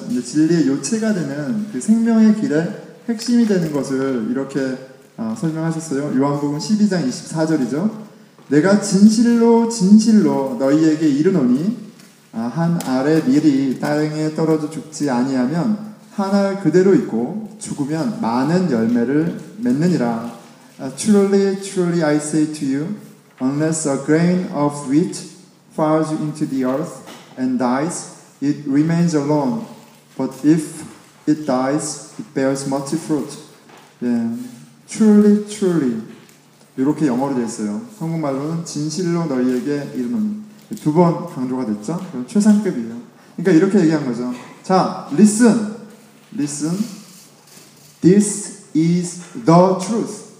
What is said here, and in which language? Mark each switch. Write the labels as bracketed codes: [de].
[ko] 근데 진리의 요체가 되는 그 생명의 길의 핵심이 되는 것을 이렇게 설명하셨어요. 요한복음 12장 24절이죠. 내가 진실로 너희에게 이르노니 한 알의 밀이 땅에 떨어져 죽지 아니하면 한 알 그대로 있고 죽으면 많은 열매를 맺느니라. [en] Truly, truly I say to you, unless a grain of wheat falls into the earth and dies, it remains alone. But if it dies, it bears much fruit. Yeah. Truly, truly. [ko] 이렇게 영어로 되어 있어요. 한국말로는 진실로 너희에게 이르노니. 두 번 강조가 됐죠? 그럼 최상급이에요. 그러니까 이렇게 얘기한 거죠. [en] 자, listen. Listen. This is the truth.